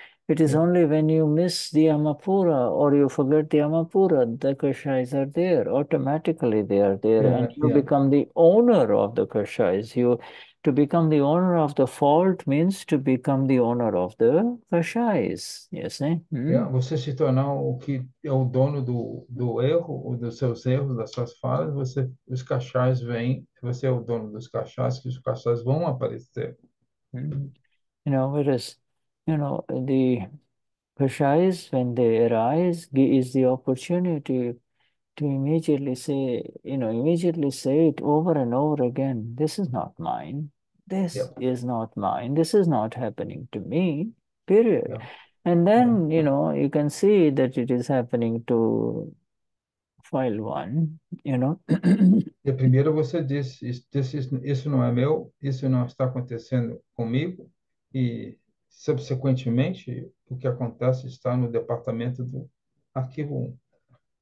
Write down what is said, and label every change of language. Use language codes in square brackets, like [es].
[en] It is only when you miss the Amapura or you forget the Amapura, the Kashas are there. Automatically they are there, and you become the owner of the Kashas. You to become the owner of the fault means to become the owner of the Kashas. You see? [pt] Você se tornar o que é o dono do erro, ou dos seus erros, das suas falhas, os cachais vêm, você é o dono dos cachais, que os cachais vão aparecer. [en] Whereas, the Kashas, when they arise, is the opportunity to immediately say it over and over again, this is not mine, this is not mine, this is not happening to me, period. And then, you can see that it is happening to file one, [pt] E primeiro você disse, isso não é meu, isso não está acontecendo comigo, e subsequentemente o que acontece está no departamento do arquivo 1.